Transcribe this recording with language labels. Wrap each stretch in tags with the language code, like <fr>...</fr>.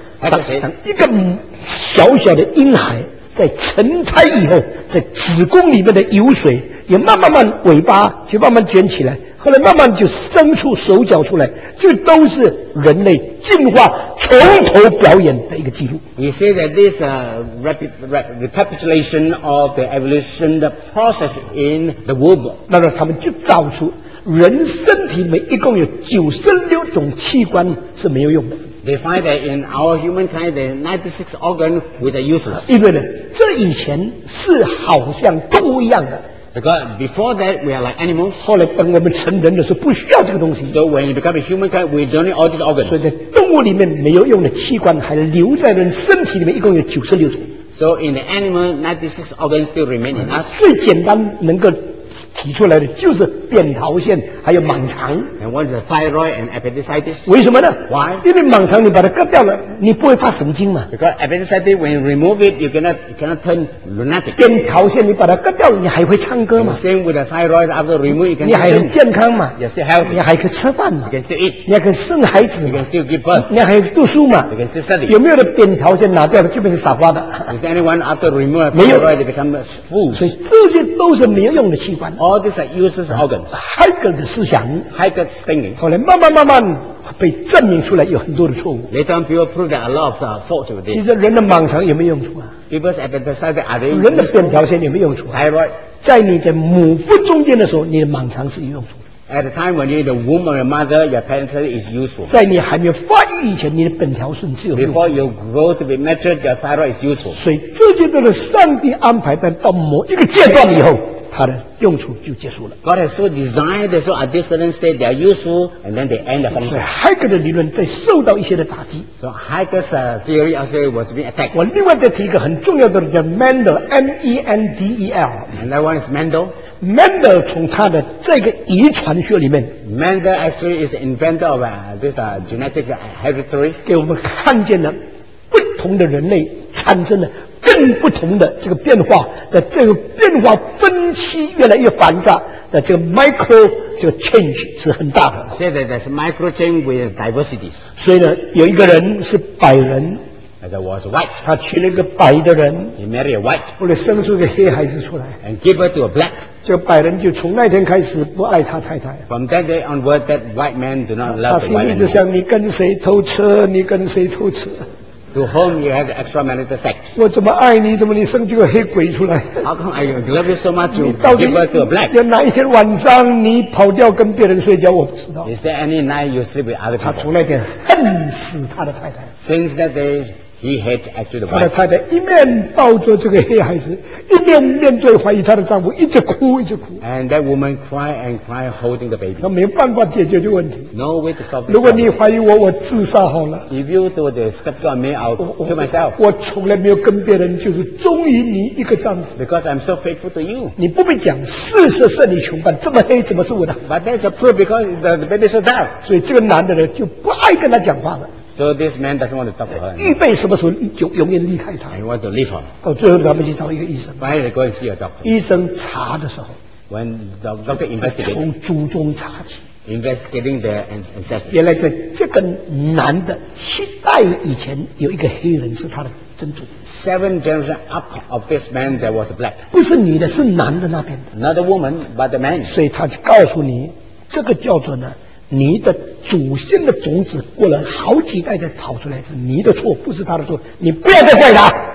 <zh>当一个小小的婴孩在成胎以后，在子宫里面的油水也慢慢尾巴就慢慢卷起来，后来慢慢就伸出手脚出来，这都是人类进化从头表演的一个记录。</zh> <en>You say that this recapitulation of the evolution the process in the womb.</en> <zh>那么他们就造出人身体每一共有96种器官是没有用的。</zh> <en>They find that in our humankind, the 96 organs which are useless.</en> <zh>因为呢，这以前是好像动物一样的。</zh> <en>Because before that, we are like animals.</en> <zh>后来等我们成人的时候，不需要这个东西。</zh> <en>So when you become a humankind, we don't need all these organs.</en> <zh>所以在动物里面没有用的器官还留在人身体里面，一共有96种。</zh> <en>So in the animal, 96 organs still remain in us.</en> <zh>最简单能够提出来的就是扁桃腺还有盲肠。</zh> <en>And what is the thyroid and appendicitis?</en> <zh>为什么呢？</zh> <en>Why?</en> <zh>因为盲肠你把它割掉了，你不会发神经嘛。</zh> <en>Because appendicitis, when you remove it, you cannot turn lunatic.</en> <zh>扁桃腺你把它割掉了，你还会唱歌嘛。</zh> <en>Same with the thyroid, after remove, you can sing.</en> <zh>你还很健康嘛。</zh> <en>You're still healthy.</en> <zh>你还可以吃饭嘛。</zh> <en>You can still eat.</en> <zh>你还可以生孩子。</zh> <en>You can still give birth.</en> <zh>你还可以读书嘛。</zh> <en>You can still study.</en> <zh>有没有的扁桃腺拿掉了就变成傻瓜的？</zh> <en>Is there anyone after remove the thyroid, they become fools?</en> <zh>所以这些都是没有用的器官。</zh> <en>All these are useless organs.</en> <zh>Haeckel 的思想</zh> <en>Haeckel's thinking</en> <zh>后来慢慢被证明出来有很多的错误。</zh> <en>Later on, people proved that a lot of faults were there.</en> <zh>其实人的盲肠有没有用处啊？</zh> <en>People's appendicitis, are they useful?</en> <zh>人的扁桃腺有没有用处？</zh> <en>Thyroid</en> <zh>在你在母腹中间的时候，你的盲肠是有用处的。</zh> <en>At the time when you're in the womb of your mother, your appendicitis is useful.</en> <zh>在你还没有发育以前，你的扁桃腺是有用处的。</zh> <en>Before you grow to be matured, your thyroid is useful.</en> <zh>所以这些都是上帝安排的，到某一个阶段以后。它的用处就结束了。</zh> <en>God has so designed that so at this certain stage they are useful and then they end up.</en> <zh>所以 Haeckel 的理论在受到一些的打击。</zh> <en>So Haeckel's theory also was being attacked.</en> <zh>我另外再提一个很重要的叫 Mendel, M-E-N-D-E-L.</zh> <en>And that one is Mendel.</en> <zh>Mendel 从他的这个遗传学里面</zh> <en>，Mendel actually is the inventor of this genetic heredity.</en> <zh>给我们看见了不同的人类产生了。更不同的这个变化的这个变化分析越来越繁杂的这个 micro 这个 change 是很大的。</zh> <en>Say that there's micro change with diversities.</en> <zh>所以呢，有一个人是白人</zh> <en>，that was white.</en> <zh>他娶了一个白的人</zh> <en>，he married a white.</en> <zh>后来生出一个黑孩子出来</zh> <en>，and give birth to a black.</en> <zh>这个白人就从那天开始不爱他太太。</zh> <en>From that day onward, that white man do not love the white man.</en> <zh>他心里就想：你跟谁偷吃？你跟谁偷吃？</zh> <en>To whom you have extramarital sex?</en> <zh>我怎么爱你，怎么你生出个黑鬼出来</zh> <en>？How come I love you so much? You give birth to a black.</en> <zh>有哪一天晚上你跑掉跟别人睡觉，我不知道。</zh> <en>Is there any night you sleep with other people?</en> <zh>他从那天恨死他的太太。</zh> <en>Since that day, he hates actually the wife.</en> <zh>他的太太一面抱着这个黑孩子，一面面对怀疑他的丈夫，一直哭一直哭。</zh> <en>And that woman cried and cried, holding the baby.</en> <zh>他没办法解决这个问题。</zh> <en>No way to solve.</en> <zh>如果你怀疑我，我自杀好了。</zh> <en>If you do the skeptical on me, I'll kill myself.</en> <zh>我从来没有跟别人就是忠于你一个丈夫。</zh> <en>Because I'm so faithful to you.</en> <zh>你不必讲，事实胜你穷办，这么黑怎么是我的</zh> <en>？But that's a proof because the baby is so dark.</en> <zh>所以这个男的呢就不爱跟他讲话了。</zh> <en>So this man doesn't want to talk to her.</en> <zh>预备什么时候就永远离开他。</zh> <en>He wants to leave her.</en> <zh>到最后他们去找一个医生。</zh> <en>Finally, go and see a doctor.</en> <zh>医生查的时候</zh> <en>，when the doctor investigates,</en> <zh>从祖宗查起。</zh> <en>Investigating their ancestors.</en> <zh>原来是这个男的七代以前有一个黑人是他的曾祖。</zh> <en>Seven generations up of this man there was a black.</en> <zh>不是女的，是男的那边的。</zh> <en>Not a woman, but the man.</en> <zh>所以他就告诉你，这个叫做呢。你的祖先的种子过了好几代才跑出来，是你的错，不是他的错，你不要再怪他。</zh>